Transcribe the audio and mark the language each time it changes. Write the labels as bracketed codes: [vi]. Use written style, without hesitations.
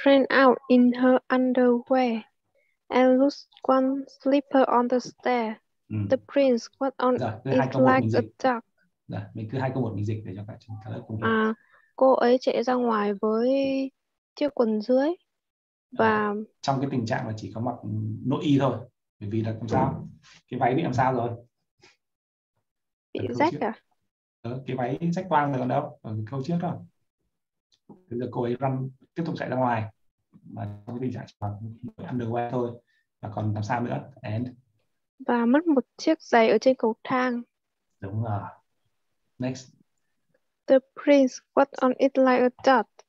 [en] ran out in her underwear and lost one slipper on the stair. The prince got on it like a duck. [vi] Rồi, mình cứ hai câu một mình dịch để cho các lớp cùng nghe. Cô ấy chạy ra ngoài với chiếc quần dưới và trong cái tình trạng là chỉ có mặc nội y thôi, bởi vì là không sao, cái váy bị làm sao rồi, bị rách à? Cái váy rách toang rồi còn đâu, ở câu trước rồi. Bây giờ cô ấy run tiếp tục chạy ra ngoài mà trong cái tình trạng chỉ mặc underwear thôi và còn làm sao nữa. [en] And [vi] và mất một chiếc giày ở trên cầu thang. Đúng rồi. Next. [en] The prince got on it like a dot.